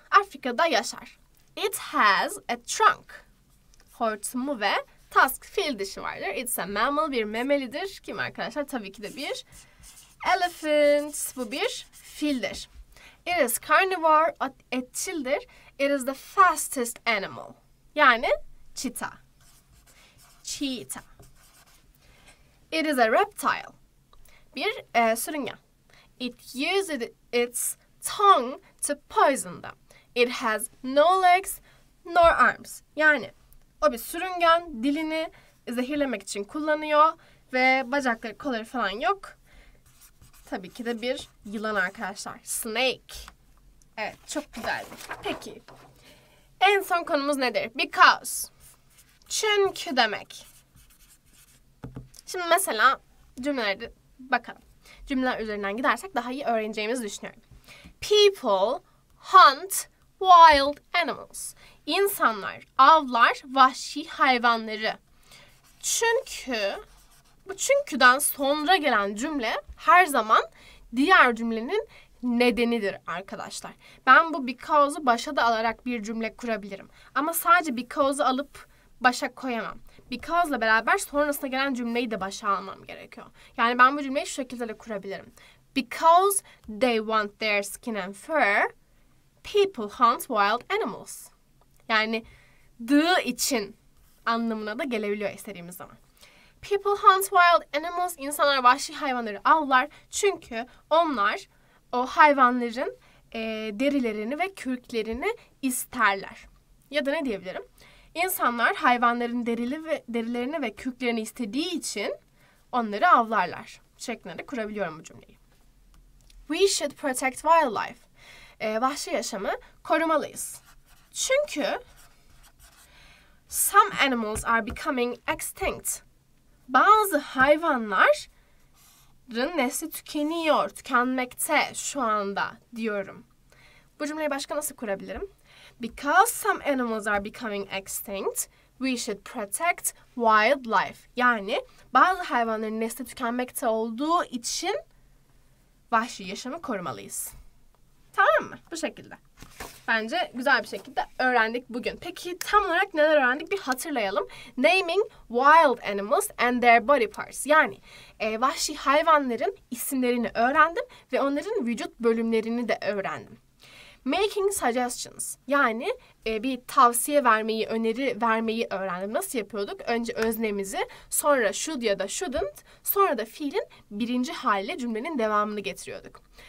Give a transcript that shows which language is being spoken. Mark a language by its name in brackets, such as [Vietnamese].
[Turkish] Afrika'da yaşar. [English] It has a trunk. [Turkish] Hortumu ve tusk, fil dişi vardır. [English] It's a mammal, [Turkish] bir memelidir. Kim arkadaşlar? Tabii ki de bir elephant. Bu bir fildir. [English] It is carnivore, etçildir. It is the fastest animal. [Turkish] Yani çita. Cheetah. [English] It is a reptile. [Turkish] Bir sürüngen. [English] It uses its tongue to poison them. It has no legs nor arms. [Turkish] Yani o bir sürüngen, dilini zehirlemek için kullanıyor ve bacakları, kolları falan yok. Tabii ki de bir yılan arkadaşlar. Snake. Evet, çok güzeldi. Peki. En son konumuz nedir? Because. Çünkü demek. Şimdi mesela cümlelerde bakalım. Cümleler üzerinden gidersek daha iyi öğreneceğimizi düşünüyorum. [English] People hunt wild animals. [Turkish] İnsanlar avlar vahşi hayvanları. Çünkü bu çünkü'den sonra gelen cümle her zaman diğer cümlenin nedenidir arkadaşlar. Ben bu because'u başa da alarak bir cümle kurabilirim. Ama sadece because'u alıp başa koyamam. Because'la beraber sonrasında gelen cümleyi de başa almam gerekiyor. Yani ben bu cümleyi şu şekilde de kurabilirim. [English] Because they want their skin and fur, people hunt wild animals. [Turkish] Yani the için anlamına da gelebiliyor istediğimiz zaman. [English] People hunt wild animals. [Turkish] İnsanlar vahşi hayvanları avlar. Çünkü onlar o hayvanların derilerini ve kürklerini isterler. Ya da ne diyebilirim? İnsanlar hayvanların derilerini ve kürklerini istediği için onları avlarlar. Şeklinde de kurabiliyorum bu cümleyi. [English] We should protect wildlife. [Turkish] Vahşi yaşamı korumalıyız. [English] Çünkü some animals are becoming extinct. [Turkish] Bazı hayvanların nesli tükeniyor, tükenmekte şu anda diyorum. Bu cümleyi başka nasıl kurabilirim? [English] Because some animals are becoming extinct, we should protect wildlife. [Turkish] Yani bazı hayvanların nesli tükenmekte olduğu için vahşi yaşamı korumalıyız. Tamam mı? Bu şekilde. Bence güzel bir şekilde öğrendik bugün. Peki tam olarak neler öğrendik? Bir hatırlayalım. [English] Naming wild animals and their body parts. [Turkish] Yani vahşi hayvanların isimlerini öğrendim ve onların vücut bölümlerini de öğrendim. [English] Making suggestions. [Turkish] Yani bir tavsiye vermeyi, öneri vermeyi öğrendim. Nasıl yapıyorduk? Önce öznemizi, sonra should ya da shouldn't, sonra da fiilin birinci haliyle cümlenin devamını getiriyorduk.